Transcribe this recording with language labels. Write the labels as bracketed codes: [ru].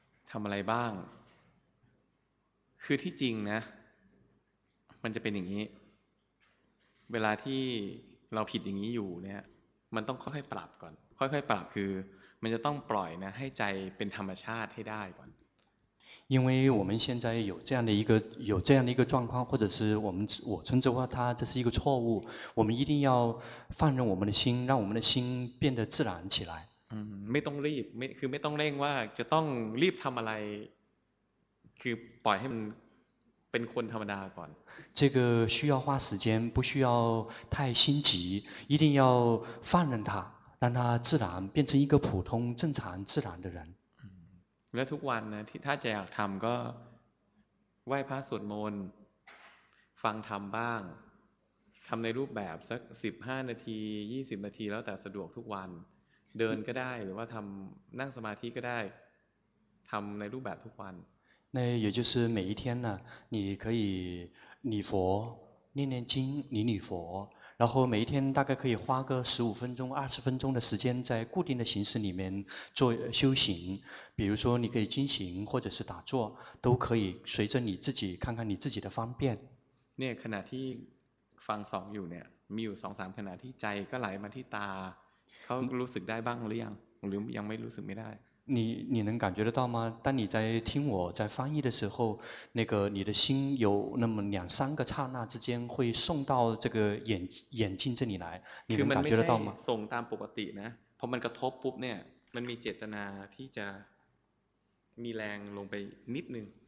[th] ทำอะไรบ้างคือที่จริงนะมันจะเป็นอย่างนี้เวลาที่เราผิดอย่างนี้อยู่เนี่ยมันต้องค่อยๆปรับก่อนค่อยๆปรับคือมันจะต้องปล่อยนะให้ใจเป็นธรรมชาติให้ได้ก่อน [zh] 因为我们现在有这样的一个状况或者是我称之为它这是一个错误我们一定要放任我们的心让我们的心变得自然起来 [th] ไม่ต้องรีบคือไม่ต้องเร่งว่าจะต้องรีบทำอะไรคือปล่อยให้มันเป็นคนธรรมดาก่อน [zh] 这个需要花时间不需要太心急一定要放任它让它自然变成一个普通正常自然的人 [th] แล้วทุกวันนะที่ถ้าจะอยากทำก็ไหว้พระสวดมนต์ฟังธรรมบ้างทำในรูปแบบสัก15นาที20นาทีแล้วแต่สะดวกทุกวันเดินก็ได้หรือว่าทำนั่งสมาธิก็ได้ทำในรูปแบบทุกวัน [zh] 那也就是每一天呢你可以礼佛念念经礼礼佛然后每一天大概可以花个15分钟20分钟的时间在固定的形式里面做修行比如说你可以静行或者是打坐都可以随着你自己看看你自己的方便 [th] เนี่ยขณะที่ฟังสองอยู่เนี่ยมีอยู่สองสามขณะที่ใจก็ไหลมาที่ตาเขารู้สึกได้บ้างหรือยังหรือยังไม่รู้สึกไม่ได้ [zh] 你能感觉得到吗当你在听我在翻译的时候那个你的心有那么两三个刹那之间会送到这个眼睛这里来你能感觉得到吗 [th] ส่งตามปกตินะพอมันกระทบปุ๊บเนี่ยมันมีเจตนาที่จะมีแรงลงไปนิดนึง